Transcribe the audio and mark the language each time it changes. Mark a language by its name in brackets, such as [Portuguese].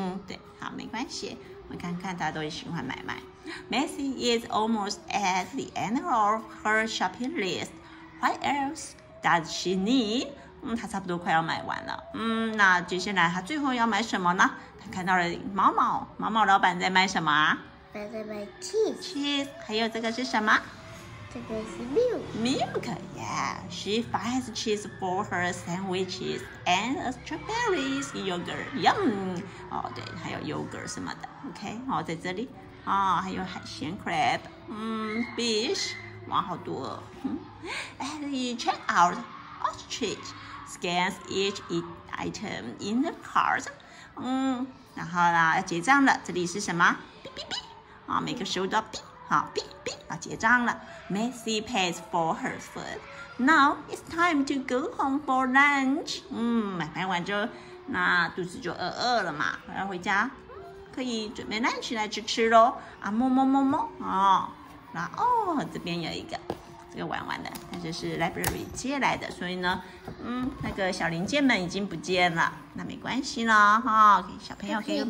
[Chinese] 对，好，没关系，我看看大家都喜欢买卖。 [English] Macy is almost at the end of her shopping list. What else does she need? [Chinese] 她差不多快要买完了。那接下来她最后要买什么呢？她看到了毛毛，毛毛老板在卖什么？在卖 cheese，还有这个是什么？这个是 milk. [English] Milk, yeah. She finds cheese for her sandwiches and strawberries yogurt. [Chinese] Yum. 对，还有 yogurt 什么的。OK, 在这里。还有海鲜 crab. Fish. 哇，好多。 [English] At the checkout, Ostrich scans each item in the cart. [Chinese] 然后呢，结账了。这里是什么？哔哔哔。每个食物都哔。好，哔。结账了 [English] ，Macy pays for her food. Now it's time to go home for lunch. [Chinese] 买完之后，那肚子就饿饿了嘛，我要回家，可以准备 lunch 来吃喽。摸，这边有一个，这个玩玩的，它就是 library 借来的，所以呢，那个小零件们已经不见了，那没关系啦，小朋友可以